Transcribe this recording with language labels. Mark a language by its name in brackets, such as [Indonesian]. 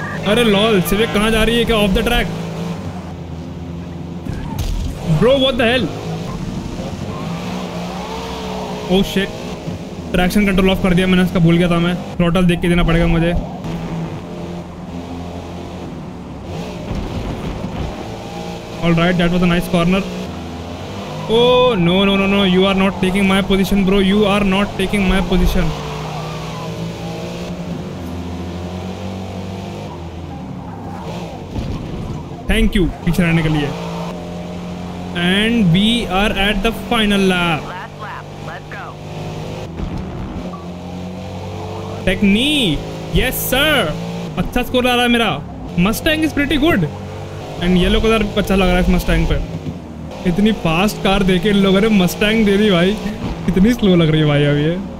[Hindi] अरे लॉल, सिर्फ कहाँ जा रही है क्या? [English] Off the track bro, what the hell. [Hindi] Oh shit, traction control of कर दिया मैंने, उसका भूल गया था मैं। थ्रॉटल देख के देना पड़ेगा मुझे। [English] Alright, that was a nice corner. Oh no, you are not taking my position bro, you are not taking my position. Thank you [Hindi] पीछे रहने के लिए। [English] And we are at the final lap. Let's go. Technique, yes sir, [Hindi] अच्छा score आ रहा है मेरा। [English] Mustang is pretty good and [Hindi] yellow colour अच्छा लग रहा है इस Mustang पे। इतनी फास्ट कार देखे इन लोगों ने, मस्टैंग दे दी भाई, इतनी स्लो लग रही है भाई अभी ये।